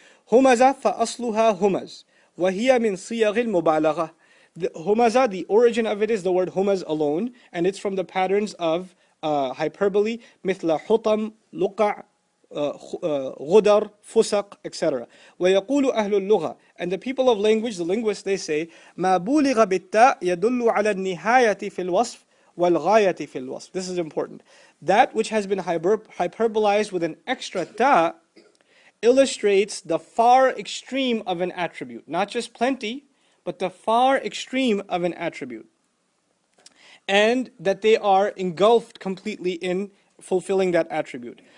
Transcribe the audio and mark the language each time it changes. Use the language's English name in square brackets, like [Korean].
[Arabic] Humaza fa'asluha humaz. Wahiya min siyaghil mubalagha. [English] Humaza, the origin of it is the word humaz alone, and it's from the patterns of hyperbole, [Arabic] mithla hutam, luqa', ghudar, fusaq, [English] etc. [Arabic] وَيَقُولُ أَهْلُ اللُّغَةِ [English] And the people of language, the linguists, they say, [Arabic] مَا بُولِغَ بِالتَّاءِ يَدُلُّ عَلَى النِّهَايَةِ فِي الْوَصْفِ وَالْغَايَةِ فِي الْوَصْفِ [English] This is important. That which has been hyperbolized with an extra ta illustrates the far extreme of an attribute. Not just plenty, but the far extreme of an attribute. And that they are engulfed completely in fulfilling that attribute.